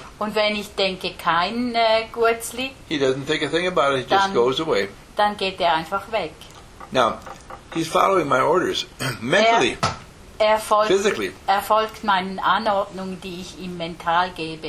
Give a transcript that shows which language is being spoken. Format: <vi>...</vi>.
<de>und wenn ich denke, kein Gutsli,</de> <en>he doesn't think a thing about it, he just goes away.</en> <de>Dann geht er einfach weg.</de> <en>Now, he's following my orders, mentally.</en> <de>erfolgt meinen Anordnungen, die ich ihm mental gebe.</de>